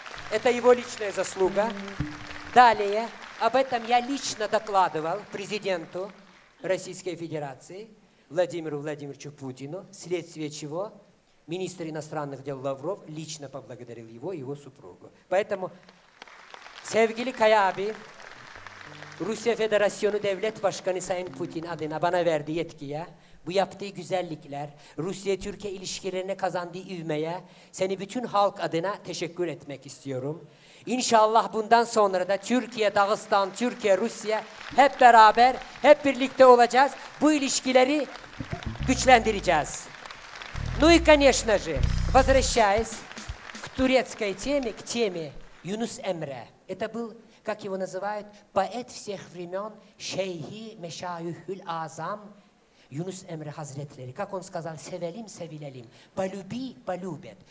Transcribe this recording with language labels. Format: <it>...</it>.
<ru>Это его личная заслуга. Далее, об этом я лично докладывал президенту Российской Федерации Владимиру Владимировичу Путину, вследствие чего министр иностранных дел Лавров лично поблагодарил его и его супругу.</ru> <tr>Поэтому sevgili Kaya abi, Rusya Federasyonu Devlet Başkanı Sayın Putin adına bana verdiği yetkiye, bu yaptığı güzellikler, Rusya-Türkiye ilişkilerine kazandığı ivmeye seni bütün halk adına teşekkür etmek istiyorum. İnşallah bundan sonra da Türkiye, Dağıstan, Türkiye, Rusya hep beraber, hep birlikte olacağız. Bu ilişkileri güçlendireceğiz.</tr> <ru>Ну и, конечно же, возвращаясь к турецкой теме, к теме Yunus Emre. Это был, как его называют, поэт всех времен, шейхи мешаюхюль азам Юнус Эмре Хазретлери. Как он сказал,</ru> <tr>севелим севилелим,</tr> <ru>полюби, полюбят.</ru>